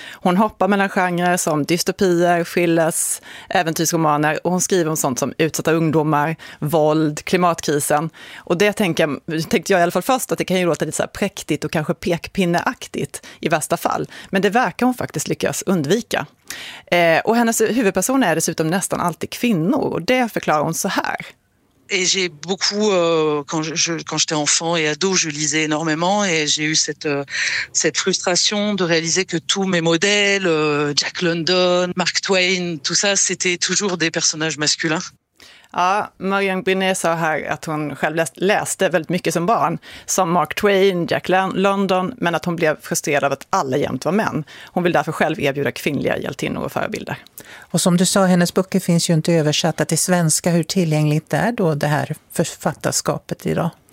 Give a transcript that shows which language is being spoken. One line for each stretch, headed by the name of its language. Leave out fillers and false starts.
Swedish: Hon hoppar mellan genrer som dystopier, skilles, äventyrsromaner, och hon skriver om sånt som utsatta ungdomar, våld, klimatkrisen. Och det tänkte jag i alla fall först att det kan ju låta lite så här präktigt och kanske pekpinneaktigt i värsta fall. Men det verkar hon faktiskt lyckas undvika. Och hennes huvudperson är dessutom nästan alltid kvinnor, och det förklarar hon så här.
French: Et j'ai beaucoup quand j'étais enfant et ado, je lisais énormément et j'ai eu cette frustration de réaliser que tous mes modèles Jack London, Mark Twain, tout ça c'était toujours des personnages masculins.
Swedish: Ja, Marianne Brunet sa här att hon själv läste väldigt mycket som barn, som Mark Twain, Jack London, men att hon blev frustrerad av att alla jämt var män. Hon vill därför själv erbjuda kvinnliga hjältinnor och förebilder. Och som du sa, hennes böcker finns ju inte översatta till svenska. Hur tillgängligt är då det här författarskapet idag?